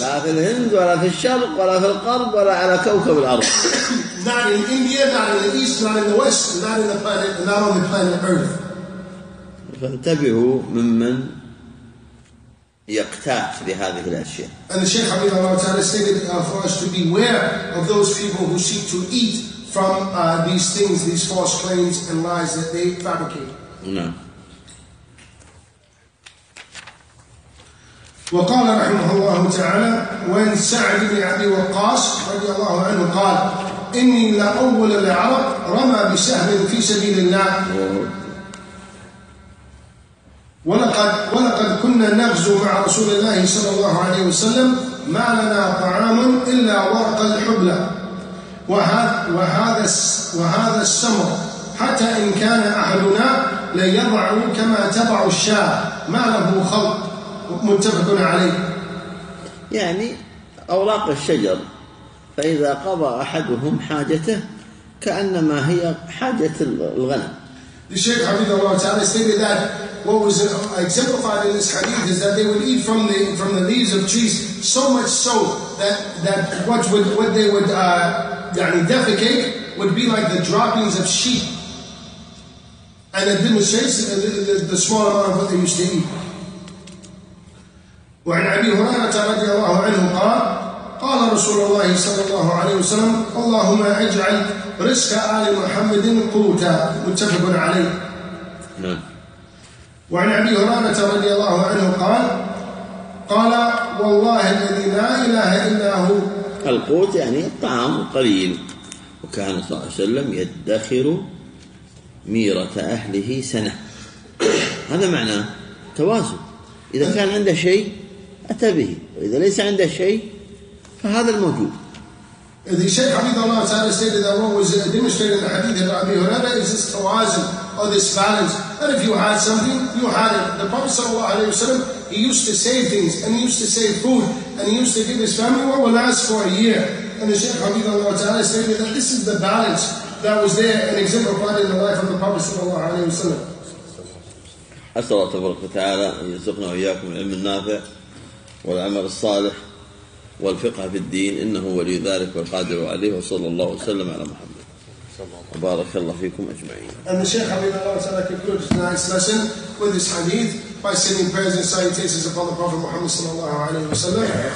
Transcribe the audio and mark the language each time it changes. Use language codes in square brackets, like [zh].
[ar] لا في الهند ولا في الشرق ولا في القرب ولا على كوكب الأرض. [en] Not in India, not in the East, not in the West, not in the planet, not on the planet Earth. [ar] فانتبهوا ممن يقتات لهذه الأشياء. [en] And the Shaykh Habib Allah Ta'ala stated for us to beware of those people who seek to eat from these things, these false claims and lies that they fabricate. No. [ar] وقال رحمه الله تعالى وان سعد بن ابي وقاص رضي الله عنه قال اني لاول العرب رمى بسهم في سبيل الله ولقد كنا نغزو مع رسول الله صلى الله عليه وسلم ما لنا طعام الا ورق الحبله وهذا السمر حتى ان كان احدنا ليضع كما تضع الشاة ما له خلق متفق عليه. يعني أوراق الشجر فإذا قضى أحدهم حاجته كأنما هي حاجة الغنم. [en] The Shaykh Habib Allah Ta'ala stated that what was exemplified in this hadith is that they would eat from the leaves of trees so much so that what they would يعني defecate would be like the droppings of sheep. And it demonstrates the small amount of what they used to eat. [ar] وعن أبي هريرة رضي الله عنه قال رسول الله صلى الله عليه وسلم اللهم اجعل رزق آل محمد قوتا متفق عليه. وعن أبي هريرة رضي الله عنه قال والله الذي لا إله إلا هو. القوت يعني الطعام قليل. وكان صلى الله عليه وسلم يدخر ميرة أهله سنة. هذا معناه توازن. إذا كان عنده شيء أتى به وإذا ليس عنده شيء فهذا الموجود. [en] The Shaykh Habib Allah Ta'ala stated that what was demonstrated in the hadith of Abi Huraira is this tawazun or this balance. That if you had something, you had it. The Prophet sallallahu alayhi wa sallam, he used to save things and he used to save food and he used to give his family what will last for a year. And the Shaykh Habib Allah Ta'ala stated that this is the balance that was there and exemplified in the life of the Prophet sallallahu alayhi wa sallam. [ar] أسأل الله تبارك وتعالى أن يرزقنا وإياكم العلم النافع والعمل الصالح والفقه في الدين، إنه ولي ذلك والقادر عليه، وصلى الله وسلم على محمد. بارك الله فيكم أجمعين. [en] And the Sheikh Habib Allah Ta'ala concludes tonight's lesson with this hadith by sending prayers and salutations upon the Prophet Muhammad sallallahu alayhi wa sallam.